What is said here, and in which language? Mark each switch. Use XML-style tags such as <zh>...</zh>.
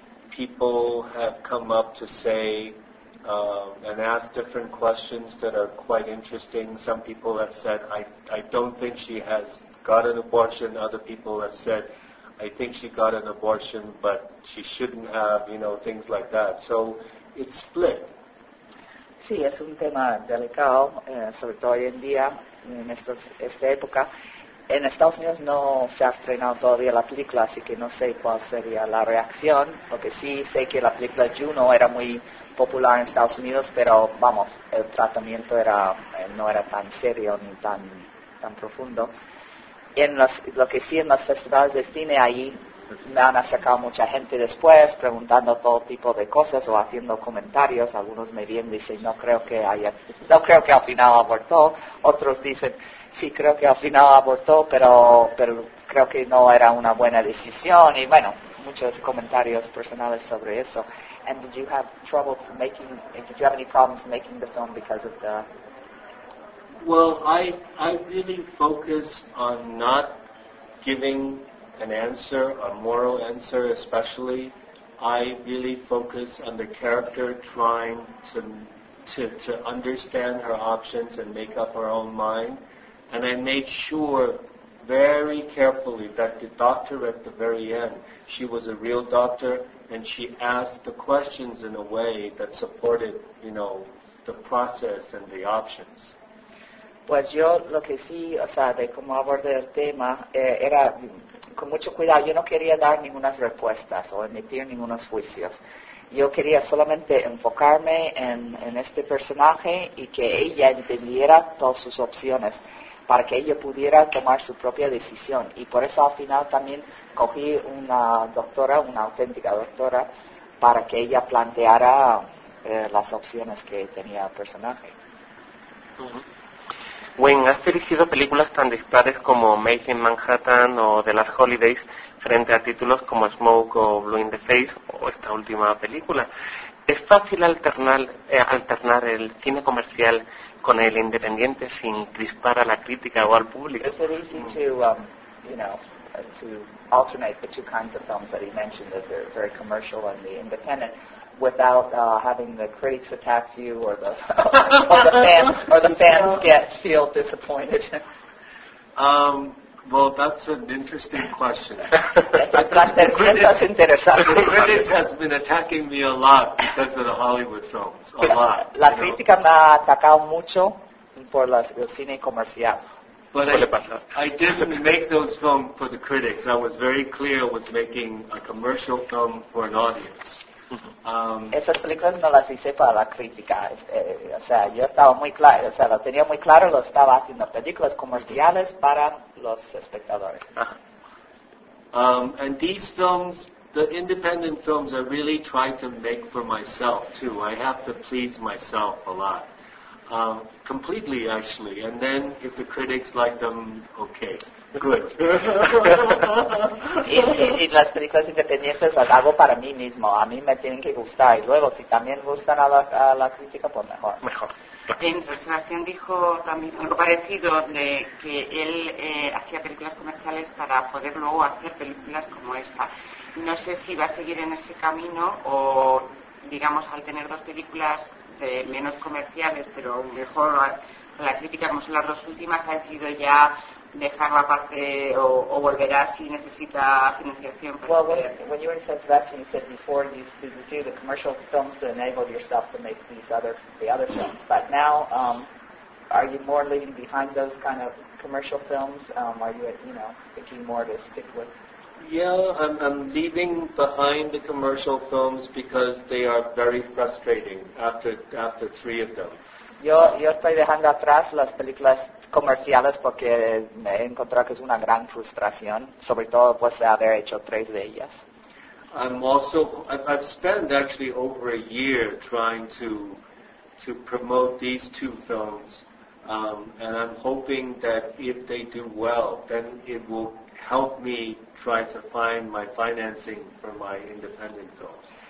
<en>people have come up to say and ask different questions that are quite interesting. Some people have said, I don't think she has got an abortion. Other people have said, I think she got an abortion, but she shouldn't have, you know, things like that. So it's split.</en> <es>Sí, es un tema delicado, sobre todo hoy en día, en esta época. En Estados Unidos no se ha estrenado todavía la película, así que no sé cuál sería la reacción, porque sí sé que la película Juno era muy popular en Estados Unidos, pero vamos, el tratamiento no era tan serio ni tan profundo. En los festivales de cine ahí me han acercado mucha gente después preguntando todo tipo de cosas o haciendo comentarios. Algunos me vienen y dicen, no creo que al final abortó. Otros dicen, sí, creo que al final abortó, pero creo que no era una buena decisión, y bueno, muchos comentarios personales sobre eso.</es> <en>And did you have trouble making, did you have any problems making the film because of the... Well, I really focus on not giving an answer, a moral answer especially. I really focus on the character trying to understand her options and make up her own mind. And I made sure very carefully that the doctor at the very end, she was a real doctor, and she asked the questions in a way that supported, you know, the process and the options.</en> <es>Pues yo lo que sí, o sea, de cómo abordé el tema, era con mucho cuidado. Yo no quería dar ninguna respuesta o emitir ningunos juicios. Yo quería solamente enfocarme en este personaje y que ella entendiera todas sus opciones para que ella pudiera tomar su propia decisión. Y por eso al final también cogí una doctora, una auténtica doctora, para que ella planteara las opciones que tenía el personaje. Uh-huh. Wayne, has dirigido películas tan dispares como Made in Manhattan o The Last Holidays frente a títulos como Smoke o Blue in the Face o esta última película. ¿Es fácil alternar el cine comercial con el independiente sin crispar a la crítica o al público?</es> <en>Is it easy to, you know, to alternate the two kinds of films that he mentioned, that they're very commercial and the independent, without having the critics attack you or the fans feel disappointed? Well, that's an interesting question. The critics has been attacking me a lot because of the Hollywood films, a lot.</en> <es>La crítica me ha atacado mucho por el cine comercial.</es> <en>But I didn't make those films for the critics. I was very clear I was making a commercial film for an audience.</en> <es>Esas películas no las hice para la crítica, o sea, yo estaba muy claro, o sea, lo tenía muy claro, lo estaba haciendo películas comerciales para los espectadores.</es> <en>And these films, the independent films, I really try to make for myself too. I have to please myself a lot, completely actually. And then if the critics like them, okay.</en> <es>Y las películas independientes las hago para mí mismo. A mí me tienen que gustar. Y luego, si también gustan a la crítica, pues mejor. Mejor. Sebastián dijo también algo parecido, de que él hacía películas comerciales para poder luego hacer películas como esta. No sé si va a seguir en ese camino o, digamos, al tener dos películas de menos comerciales, pero mejor la crítica, como son las dos últimas, ha decidido ya dejar la parte o volverá si necesita financiación.</es> <en>Well, when you were in San Sebastian, you said before you used to do the commercial films to enable yourself to make the other films. But now, are you more leaving behind those kind of commercial films? Are you, you know, thinking more to stick with? Yeah, I'm leaving behind the commercial films because they are very frustrating after three of them.</en> <es>Yo estoy dejando atrás las películas comerciales porque me he encontrado que es una gran frustración, sobre todo pues haber hecho tres de ellas.</es> <en>I've spent actually over a year trying to promote these two films, and I'm hoping that if they do well, then it will help me try to find my financing for my independent films.</en>